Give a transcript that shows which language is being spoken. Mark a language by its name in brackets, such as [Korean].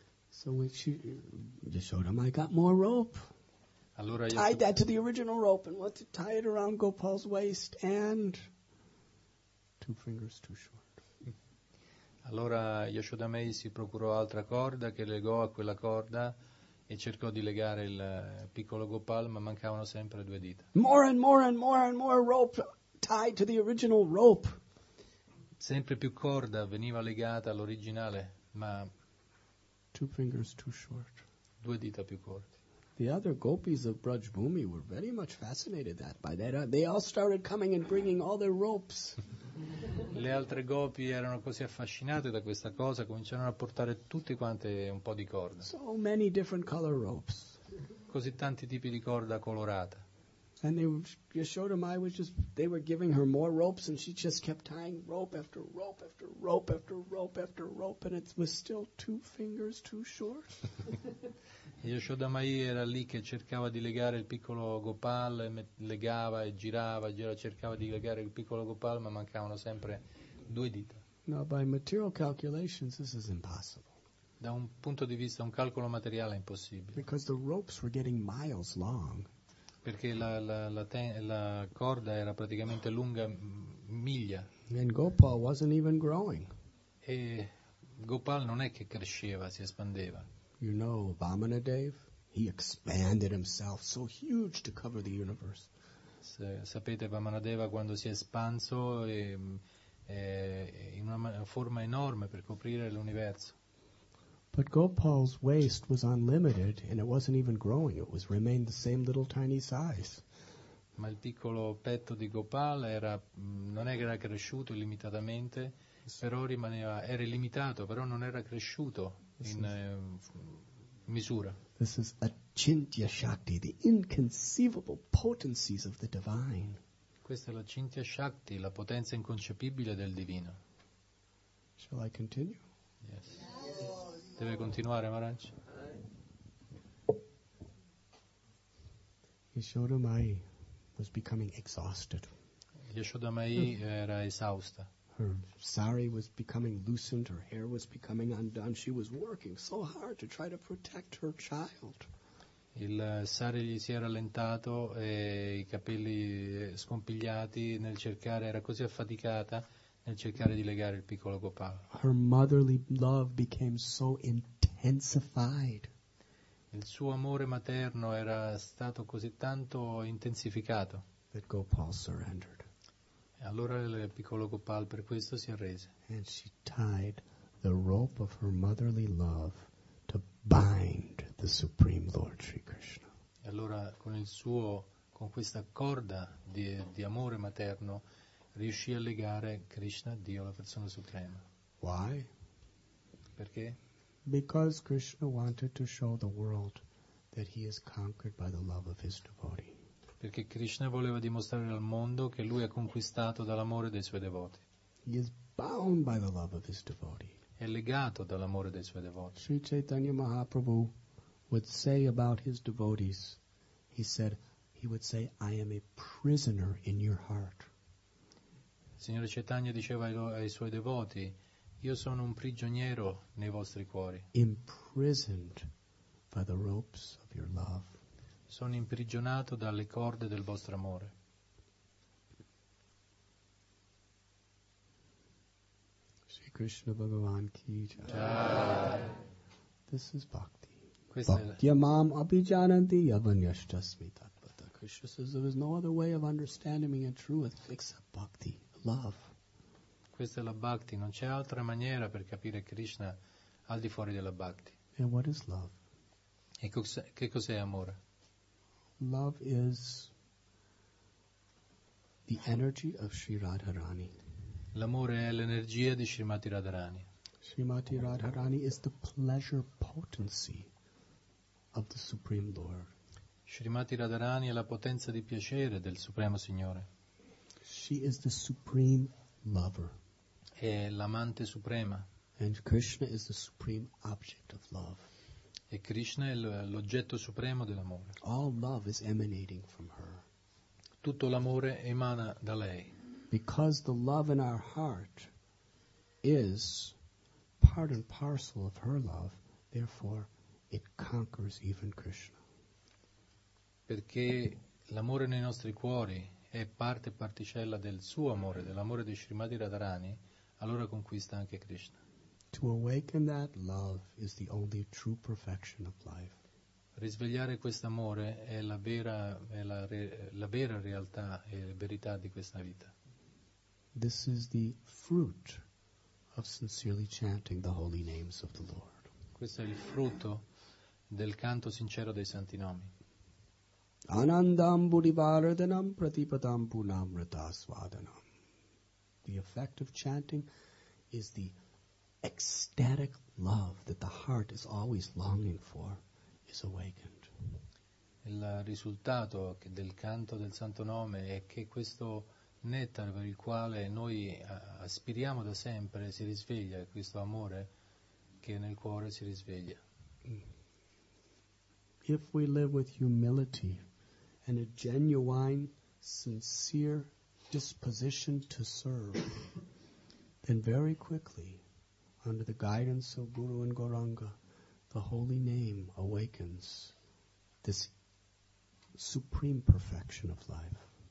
[English] So when she just showed him, I got more rope. [Italian] Allora [English] tied that to the original rope and wanted to tie it around Gopal's waist and two fingers too short. [Italian] Allora Yashoda Mai si procurò altra corda che legò a quella corda e cercò di legare il piccolo Gopal, ma mancavano sempre due dita. [English] More and more and more and more rope tied to the original rope. [Italian] Sempre più corda veniva legata all'originale, ma [English] two fingers too short. [Italian] Due dita più corti. [English] The other gopis of Braj Bhumi were very much fascinated that by that. They all started coming and bringing all their ropes. [Italian] Le altre gopi erano così affascinate da questa cosa, cominciarono a portare tutte quante un po' di corda. [English] So many different color ropes. [Italian] Così tanti tipi di corda colorata. [English] And they Yashoda Mai was just, they were giving her more ropes and she just kept tying rope after rope after rope after rope after rope and it was still two fingers too short. [Italian] Yashoda Mai era lì che cercava di legare il piccolo Gopal, legava e girava, cercava di legare il piccolo Gopal, ma mancavano sempre due dita. [English] Now by material calculations this is impossible. [Italian] Da un punto di vista, un calcolo materiale è impossibile. [English] Because the ropes were getting miles long. [Italian] Perché la corda era praticamente lunga miglia. [English] And Gopal wasn't even growing. [Italian] E Gopal non è che cresceva, si espandeva. [English] You know Vamanadeva? He expanded himself so huge to cover the universe. [Italian] Sapete Vamanadeva quando si è espanso in una forma enorme per coprire l'universo. [English] But Gopal's waist was unlimited and it wasn't even growing. It was remained the same little tiny size. [Italian] Ma il piccolo petto di Gopal non era cresciuto illimitatamente, però era illimitato, però non era cresciuto in misura. [English] This is Achintya Shakti, the inconceivable potencies of the divine. [Italian] Questa è l'Achintya Shakti, la potenza inconcepibile del divino. [English] Shall I continue? Yes. [Italian] Deve continuare Maharaj. [English] Yashoda Mai was becoming exhausted. [Italian] Yashoda Mai era esausta. [English] Her sari was becoming loosened, her hair was becoming undone. She was working so hard to try to protect her child. [Italian] Il sari gli si era allentato e i capelli scompigliati nel cercare, era così affaticata nel cercare di legare il piccolo Gopal. [English] Her motherly love became so intensified. [Italian] Il suo amore materno era stato così tanto intensificato. [English] That Gopal surrendered. [Italian] E allora il piccolo Gopal per questo si arrese. [English] And she tied the rope of her motherly love to bind the Supreme Lord Sri Krishna. [Italian] E allora con questa corda di amore materno riuscì a legare Krishna, Dio, la persona suprema. [English] Why? [Italian] Perché? [English] Because Krishna wanted to show the world that he is conquered by the love of his devotee. [Italian] Perché Krishna voleva dimostrare al mondo che lui è conquistato dall'amore dei suoi devoti. [English] He is bound by the love of his devotee. [Italian] È legato dall'amore dei suoi devoti. [English] Sri Chaitanya Mahaprabhu would say about his devotees, he would say, I am a prisoner in your heart. [Italian] Signore Chaitanya diceva ai suoi devoti: io sono un prigioniero nei vostri cuori. [English] Imprisoned by the ropes of your love. [Italian] Sono imprigionato dalle corde del vostro amore. [Hindi] Sri Krishna Bhagavan ki jai. [English] This is bhakti. [Sanskrit] Bhaktya mam abhijananti yavanyashta smitatvata. [English] Krishna says there is no other way of understanding and truth except bhakti, love. [Italian] Questa è la bhakti, non c'è altra maniera per capire Krishna al di fuori della bhakti. [English] And what is love? [Italian] E che cos'è amore? [English] Love is the energy of Sri Radharani. [Italian] L'amore è l'energia di Srimati Radharani. [English] Srimati Radharani is the pleasure potency of the Supreme Lord. [Italian] Srimati Radharani è la potenza di piacere del Supremo Signore. [English] She is the supreme lover. [Italian] È l'amante suprema. [English] And Krishna is the supreme object of love. [Italian] E Krishna è l'oggetto supremo dell'amore. [English] All love is emanating from her. [Italian] Tutto l'amore emana da lei. [English] Because the love in our heart is part and parcel of her love, therefore it conquers even Krishna. [Italian] Perché l'amore nei nostri cuori è parte e particella del suo amore, dell'amore di Srimati Radharani, allora conquista anche Krishna. [English] To awaken that love is the only true perfection of life. [Italian] Risvegliare quest'amore è la vera, la vera realtà e verità di questa vita. [English] This is the fruit of sincerely chanting the holy names of the Lord. [Italian] Questo è il frutto del canto sincero dei santi nomi. [Sanskrit] Anandam buddhivardhanam pratipadam punamrita svadhanam. [English] The effect of chanting is the ecstatic love that the heart is always longing for is awakened. [Italian] Il risultato del canto del santo nome è che questo nettar per il quale noi aspiriamo da sempre si risveglia, questo amore che nel cuore si risveglia. [English] If we live with humility and a genuine, sincere disposition to serve, then very quickly, under the guidance of Guru and Gauranga, the holy name awakens this supreme perfection of life.